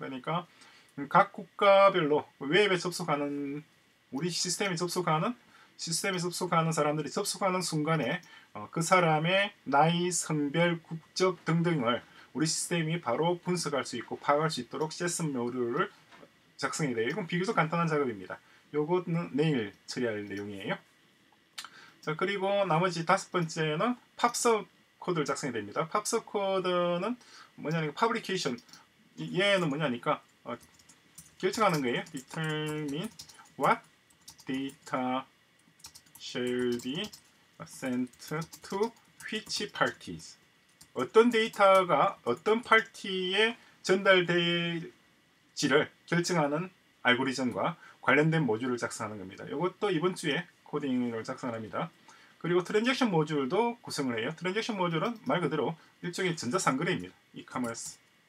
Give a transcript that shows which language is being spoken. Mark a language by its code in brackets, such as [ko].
[ko] 그러니까 각 국가별로 웹에 접속하는 우리 시스템에 접속하는 사람들이 접속하는 순간에 그 사람의 나이, 성별, 국적 등등을 우리 시스템이 바로 분석할 수 있고 파악할 수 있도록 세션 모듈을 작성이 돼요. 이건 비교적 간단한 작업입니다. 요거는 내일 처리할 내용이에요. 자, 그리고 나머지 다섯 번째는 팝서 코드를 작성이 됩니다. 팝서 코드는 뭐냐니까 퍼블리케이션. 얘는 뭐냐니까 결정하는 거예요. [en] determine what data shall be sent to which parties. [ko] 어떤 데이터가 어떤 파티에 전달될 질을 결정하는 알고리즘과 관련된 모듈을 작성하는 겁니다. 이것도 이번 주에 코딩을 작성합니다. 그리고 트랜잭션 모듈도 구성을 해요. 트랜잭션 모듈은 말 그대로 일종의 전자상거래입니다. 이커머스.